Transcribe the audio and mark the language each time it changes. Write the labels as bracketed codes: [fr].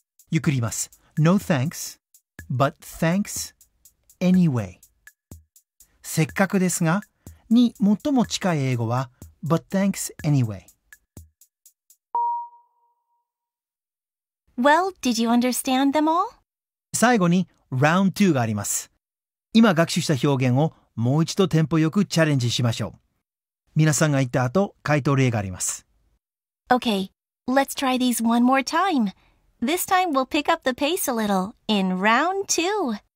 [ja] ゆっくり言います。 [en] No, thanks. But thanks anyway. [ja] せっかくですが、に最も近い英語は [en] But thanks anyway. Well, did you understand them all? [ja] 最後に Round 2があります。今学習した表現をもう一度テンポよくチャレンジしましょう。皆さんが言った後、回答例があります。 [en] Okay, let's try these one more time. This time we'll pick up the pace a little in round two.